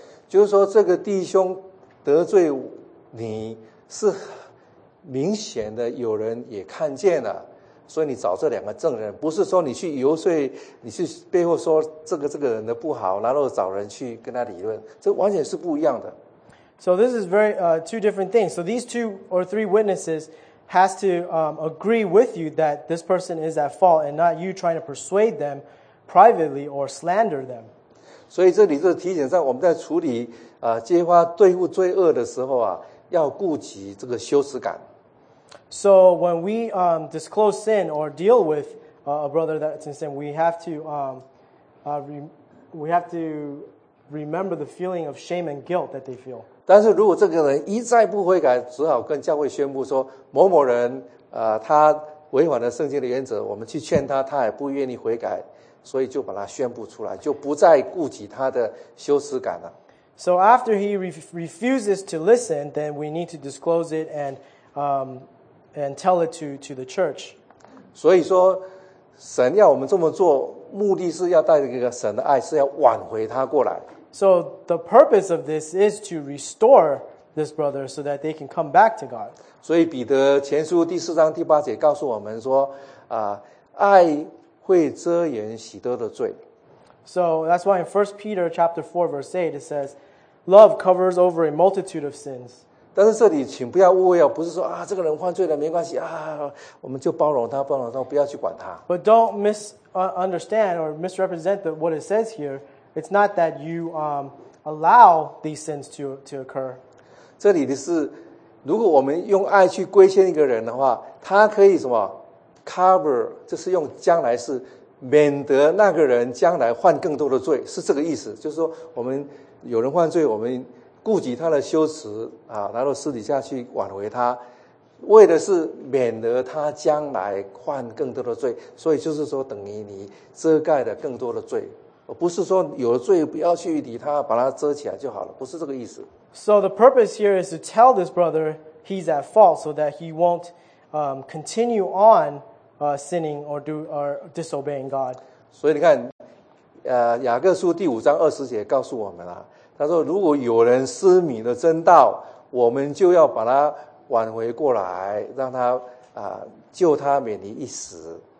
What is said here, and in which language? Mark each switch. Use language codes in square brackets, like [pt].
[zh] 就是说，这个弟兄得罪你是明显的，有人也看见了。所以你找这两个证人，不是说你去游说，你去背后说这个人的不好，然后找人去跟他理论，这完全是不一样的。 [en] So this is very two different things. So these two or three witnesses has to agree with you that this person is at fault, and not you trying to persuade them privately or slander them. [zh] 所以这里就提醒在我们在处理揭发对付罪恶的时候啊，要顾及这个羞耻感。 [en] So when we disclose sin or deal with a brother that's in sin, we have to remember the feeling of shame and guilt that they feel. [zh] 但是如果这个人一再不悔改，只好跟教会宣布说某某人他违反了圣经的原则，我们去劝他，他也不愿意悔改，所以就把他宣布出来，就不再顾及他的羞耻感了。 [en] So after he refuses to listen, then we need to disclose it and tell it to the church. [zh] 所以说神要我们这么做，目的是要带着一个神的爱，是要挽回他过来。 [en] So the purpose of this is to restore this brother so that they can come back to God. [zh] 所以彼得前书第四章第八节告诉我们说爱会遮掩许多的罪。 [en] So that's why in 1 Peter chapter 4 verse 8 it says, love covers over a multitude of sins. [zh] 但是这里请不要误会哦，不是说这个人犯罪了没关系我们就包容他，不要去管他。 [en] But don't misunderstand or misrepresent what it says here. It's not that you allow these sins to occur. [zh] 这里的是，如果我们用爱去规劝一个人的话，他可以什么 cover， 就是用将来式，免得那个人将来犯更多的罪，是这个意思。就是说，我们有人犯罪，我们。顾及他的羞耻然后私底下去挽回他，为的是免得他将来犯更多的罪，所以就是说等于你遮盖了更多的罪。不是说有罪不要去理他，把他遮起来就好了，不是这个意思。 [en] So the purpose here is to tell this brother he's at fault so that he won't continue on sinning or disobeying God. [zh] 所以你看，雅各书第五章二十节告诉我们啊，他说如果有人失迷了真道，我们就要把他挽回过来，让他救他免离一死。